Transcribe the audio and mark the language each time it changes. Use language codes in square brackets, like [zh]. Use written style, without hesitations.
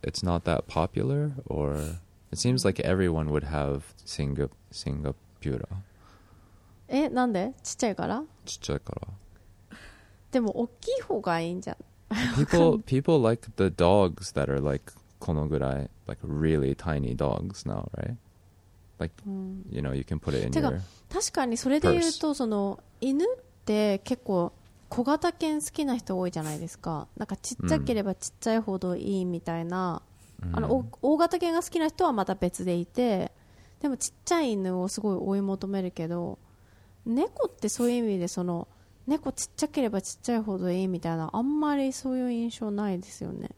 [en] It's not that popular, or it seems like everyone would have Singapura. [ja] え、なんで？ちっちゃいから？ちっちゃいから。でも大きい方がいいんじゃん。 [en] People like the dogs that are like [ja] このぐらい [en] like really tiny dogs now, right? Like, you know, you can put it in your purse. [ja] 確かにそれで言うとその犬って結構小型犬好きな人多いじゃないですか。なんかちっちゃければちっちゃいほどいいみたいな。あの大型犬が好きな人はまた別でいて、でもちっちゃい犬をすごい追い求めるけど、猫ってそういう意味でその猫ちっちゃければちっちゃいほどいいみたいな、あんまりそういう印象ないですよね。